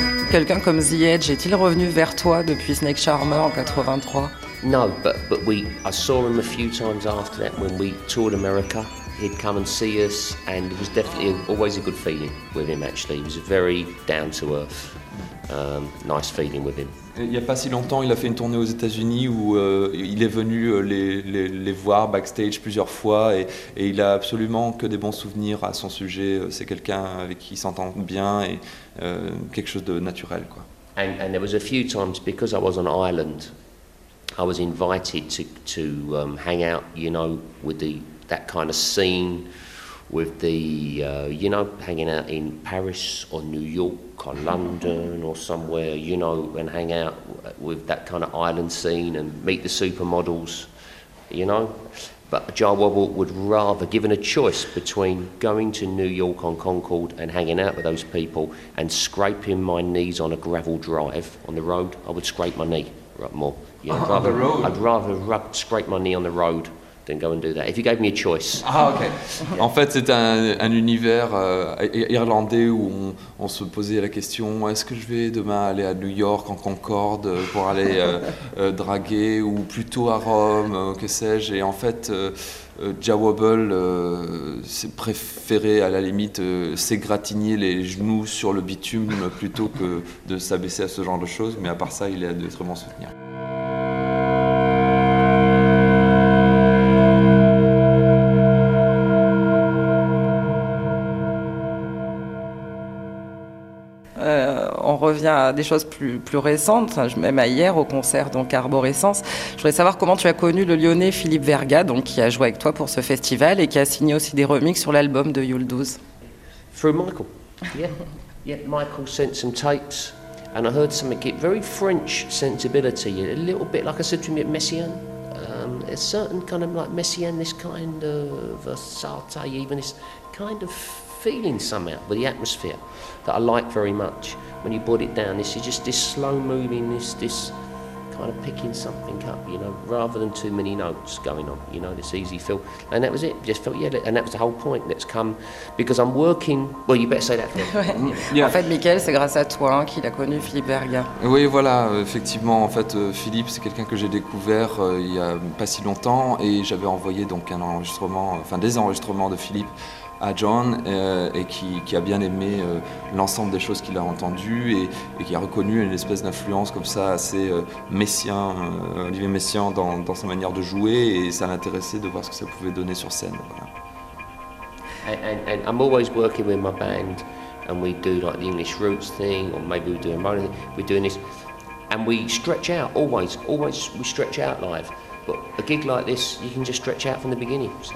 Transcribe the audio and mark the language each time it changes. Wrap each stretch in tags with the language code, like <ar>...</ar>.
<fr>Quelqu'un comme The Edge est-il revenu vers toi depuis Snake Charmer en 83?</fr> <en>No, but we, I saw him a few times after that when we toured America. He'd come and see us, and it was definitely always a good feeling with him. Actually, he was very down to earth, nice feeling with him.</en> <fr>Il n'y a pas si longtemps, il a fait une tournée aux États-Unis où il est venu les voir backstage plusieurs fois, et il a absolument que des bons souvenirs à son sujet. C'est quelqu'un avec qui il s'entend bien et quelque chose de naturel, quoi.</fr> <en>And there was a few times because I was on Ireland, I was invited to hang out, you know, with the that kind of scene, with the you know, hanging out in Paris or New York. Or London or somewhere, you know, and hang out with that kind of island scene and meet the supermodels, you know. But Jarwobble would rather, given a choice between going to New York on Concord and hanging out with those people and scraping my knees on a gravel drive on the road, I would scrape my knee more. Yeah, on the road? I'd rather scrape my knee on the road than go and do that. If you gave me a choice. Ah, OK. Yeah.</en> <fr>En fait, c'est un univers irlandais où on se posait la question, est-ce que je vais demain aller à New York en Concorde pour aller draguer ou plutôt à Rome, que sais-je. Et en fait, Jawobble c'est préféré à la limite s'égratigner les genoux sur le bitume plutôt que de s'abaisser à ce genre de choses. Mais à part ça, il est à de très bons souvenirs. Revient à des choses plus récentes, même à hier au concert donc Arborescence. Je voudrais savoir comment tu as connu le Lyonnais Philippe Verga, donc qui a joué avec toi pour ce festival et qui a signé aussi des remixes sur l'album de Yule 12.</fr> <en>Through Michael. Yeah, Michael sent some tapes and I heard some get very French sensibility, a little bit like I said to me at Messian. A certain kind of like Messian, this kind of Sartre, even this kind of feeling somehow with the atmosphere that I like very much. When you brought it down, this is just this slow moving, this kind of picking something up, you know, rather than too many notes going on, you know, this easy feel. And that was it, just felt, yeah, and that was the whole point. Let's come, because I'm working, well, you better say that. Yeah.</en> <fr>En fait, Michael, c'est grâce à toi hein, qu'il a connu Philippe Verga. Oui, voilà, effectivement, en fait, Philippe, c'est quelqu'un que j'ai découvert il y a pas si longtemps, et j'avais envoyé donc un enregistrement, enfin des enregistrements de Philippe à John et qui a bien aimé l'ensemble des choses qu'il a entendues et qui a reconnu une espèce d'influence comme ça assez messien, Olivier Messiaen dans sa manière de jouer et ça l'intéressait de voir ce que ça pouvait donner sur scène. Voilà.</fr> <en>And I'm always working with my band and we do like the English roots thing or maybe we're doing modern, we're doing this and we stretch out always we stretch out live. But a gig like this, you can just stretch out from the beginning.</en>